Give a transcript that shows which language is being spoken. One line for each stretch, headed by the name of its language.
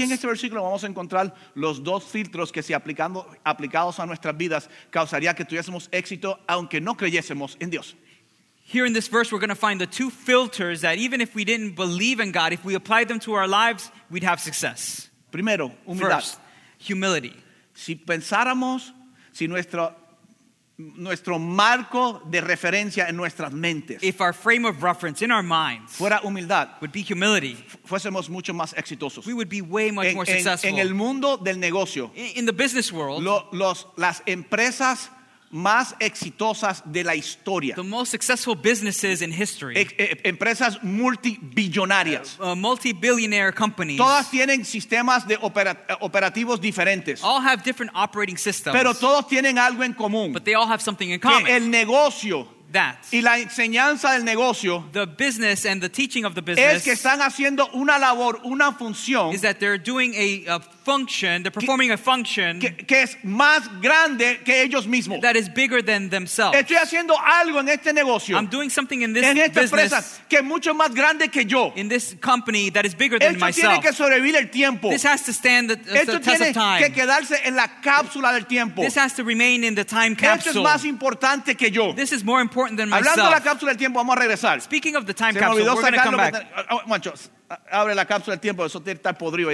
Spanish: Aquí en este versículo vamos a encontrar los dos filtros que si aplicados a nuestras vidas causaría que tuviésemos éxito aunque no creyésemos en Dios.
English: Here in this verse we're going to find the two filters that even if we didn't believe in God, if we applied them to our lives, we'd have success.
Spanish: Primero, humildad.
English: First, humility.
Spanish: Si pensáramos, si nuestro marco de referencia en nuestras mentes.
English: If our frame of reference in our minds
Spanish: fuera humildad,
English: would be humility,
Spanish: fuésemos mucho más exitosos.
English: We would be way much more successful.
Spanish: En el mundo del negocio.
English: In the business world.
Spanish: Las empresas más exitosas de la historia.
English: The most successful businesses in history.
Spanish: Empresas multibillonarias.
English: Multi-billionaire companies.
Spanish: Todas tienen sistemas de operativos diferentes.
English: All have different operating systems.
Spanish: Pero todos tienen algo en común.
English: But they all have something in common.
Spanish: Que el negocio.
English: That.
Spanish: Y la enseñanza del negocio.
English: The business and the teaching of the business.
Spanish: Es que están haciendo una labor, una función.
English: Is that they're doing a function, they're performing a function
Spanish: que es más grande que ellos mismos.
English: That is bigger than themselves.
Spanish: Estoy haciendo algo en este negocio.
English: I'm doing something in this
Spanish: en esta
English: business
Spanish: empresa, que es mucho más grande que yo.
English: In this company that is bigger than
Spanish: esto
English: myself.
Spanish: Esto tiene que sobrevivir el tiempo.
English: This has to stand the test of time.
Spanish: Esto tiene que quedarse en la cápsula del tiempo.
English: This has to remain in the time capsule.
Spanish: Esto es más importante que yo.
English: This is more important than
Spanish: hablando
English: myself.
Spanish: Hablando de la cápsula del tiempo, vamos a regresar.
English: Speaking of the time capsule, we're going to come back.
Spanish: Abre la cápsula del tiempo, eso está podrido ahí